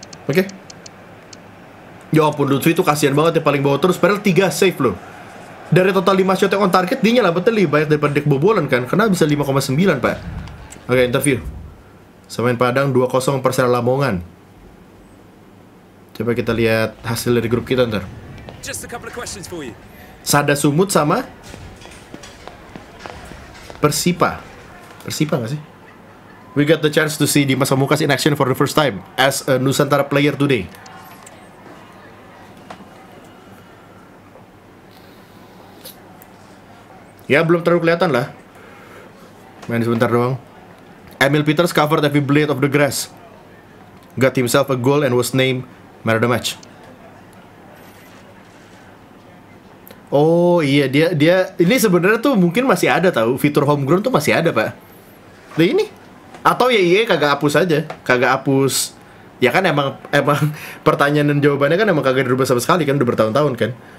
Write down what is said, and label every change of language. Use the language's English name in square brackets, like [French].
[Indonesian] Oke. Okay. Ya ampun Lutfi itu kasihan banget ya, paling bawah terus padahal 3 save loh. Dari total 5 shot yang on target, dia nyelamatnya lebih banyak daripada dek bobolan kan? Karena bisa 5,9, Pak. Oke, okay, interview. Semen Padang 2-0 Persela Lamongan. Coba kita lihat hasil dari grup kita ntar. [English] Just a couple of questions for you. [Indonesian] Sada Sumut sama Persipa. Persipa gak sih? [English] We got the chance to see Dimas Pamungkas in action for the first time as a Nusantara player today. [Indonesian] Ya, belum terlalu kelihatan lah. Main sebentar doang. [English] Emil Peters covered every blade of the grass. Got himself a goal and was named man of the match. [Indonesian] Oh iya, dia ini sebenarnya tuh mungkin masih ada tau, fitur homegrown tuh masih ada, Pak. Nah ini, atau ya iya kagak hapus aja, kagak hapus. Ya kan emang pertanyaan dan jawabannya kan emang kagak dirubah sama sekali kan, udah bertahun-tahun kan.